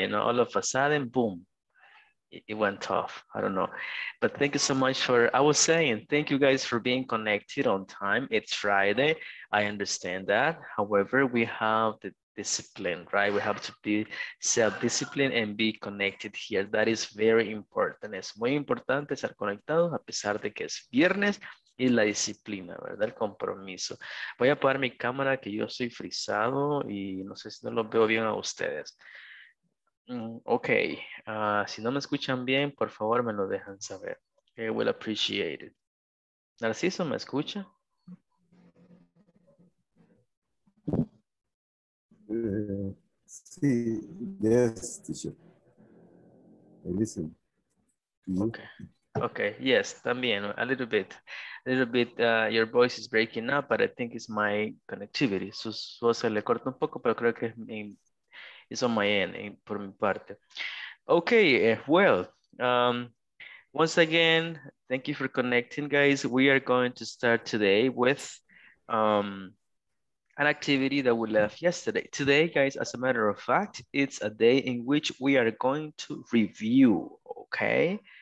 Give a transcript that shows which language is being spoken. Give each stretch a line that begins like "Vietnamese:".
English: You know, all of a sudden, boom, it went off. I don't know. But thank you so much for, I was saying, thank you guys for being connected on time. It's Friday. I understand that. However, we have the discipline, right? We have to be self-disciplined and be connected here. That is very important.
Spanish: Es muy importante estar conectado a pesar de que es viernes. Y la disciplina, ¿verdad? El compromiso. Voy a apagar mi cámara que yo soy frisado y no sé si no lo veo bien a ustedes. Ok, si no me escuchan bien, por favor me lo dejan saber.
English: I will appreciate it. Narciso,
Spanish: ¿me escucha?
English: Sí, yes, teacher. I listen. Ok. Okay, yes, también, a little bit, your voice is breaking up, but I think it's my connectivity.
Spanish: Su voz se le corta un poco, pero creo que es
English: on my end,
Spanish: por mi parte.
English: Okay, well, once again, thank you for connecting, guys. We are going to start today with an activity that we left yesterday. Today, guys, as a matter of fact, it's a day in which we are going to review, okay?